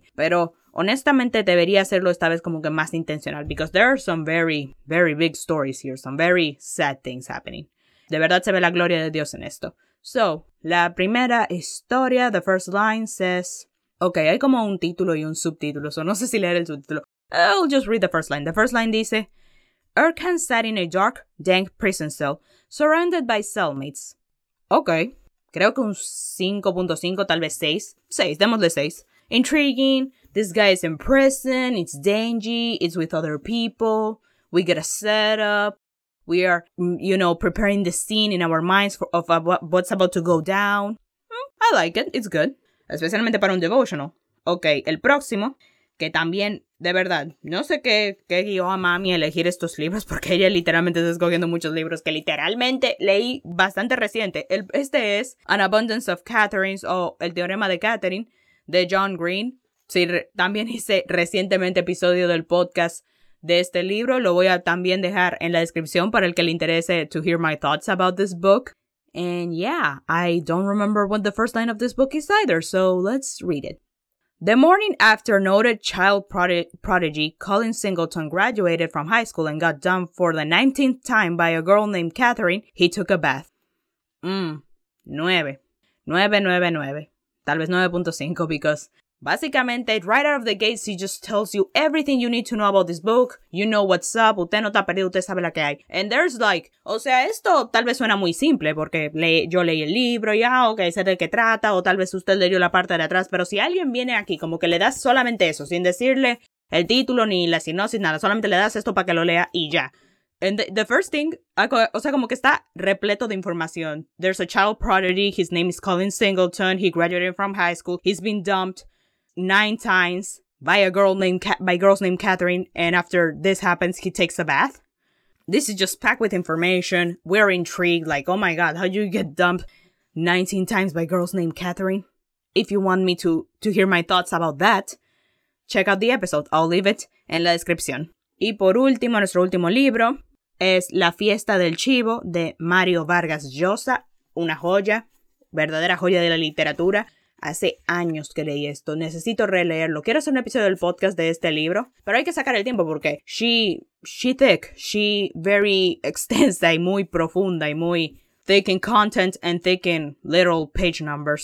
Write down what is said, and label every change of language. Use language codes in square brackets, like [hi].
[es] Pero honestamente debería hacerlo esta vez como que más intencional, [en] because there are some very, very big stories here, some very sad things happening. [es] De verdad se ve la gloria de Dios en esto. So, la primera historia, [en] the first line says... [es] Okay, hay como un título y un subtítulo, so no sé si leer el subtítulo. [en] I'll just read the first line. The first line dice, Erkan sat in a dark, dank prison cell, surrounded by cellmates. [es] Okay, creo que un 5.5, tal vez 6. 6, démosle 6. [en] Intriguing, this guy is in prison, it's dingy, it's with other people, we get a setup, we are, you know, preparing the scene in our minds of what's about to go down. I like it, it's good. [es] Especialmente para un devotional. Ok, el próximo, que también, de verdad, no sé qué guió a mami a elegir estos libros, porque ella literalmente está escogiendo muchos libros que literalmente leí bastante reciente. Este es An Abundance of Catherines, o El Teorema de Catherine, de John Green. Sí, también hice recientemente episodio del podcast de este libro. Lo voy a también dejar en la descripción para el que le interese [en] to hear my thoughts about this book. And yeah, I don't remember what the first line of this book is either, so let's read it. The morning after noted child prodigy Colin Singleton graduated from high school and got dumped for the 19th time by a girl named Catherine, he took a bath. [es] 9. 9, 9, 9. Tal vez 9.5, because [en] Básicamente, right out of the gate, she just tells you everything you need to know about this book. You know what's up. [es] Usted no está perdido, usted sabe la que hay. [en] And there's like, [es] o sea, esto tal vez suena muy simple porque yo leí el libro y ah, ok, sé de qué trata. O tal vez usted leyó la parte de atrás. Pero si alguien viene aquí como que le das solamente eso, sin decirle el título ni la sinopsis, nada. Solamente le das esto para que lo lea y ya. [en] And the first thing, [es] o sea, como que está repleto de información. [en] There's a child prodigy. His name is Colin Singleton. He graduated from high school. He's been dumped 9 times by a girl named Catherine, and after this happens, he takes a bath. This is just packed with information. We're intrigued, like, oh my god, how'd you get dumped 19 times by girls named Catherine? If you want me to hear my thoughts about that, check out the episode. I'll leave it in [es] la descripción. Y por último, nuestro último libro es La Fiesta del Chivo de Mario Vargas Llosa, una joya, verdadera joya de la literatura. Hace años que leí esto. Necesito releerlo. Quiero hacer un episodio del podcast de este libro. Pero hay que sacar el tiempo porque [en] she thick. She very [es] extensa y muy profunda y muy [en] thick in content and thick in literal page number.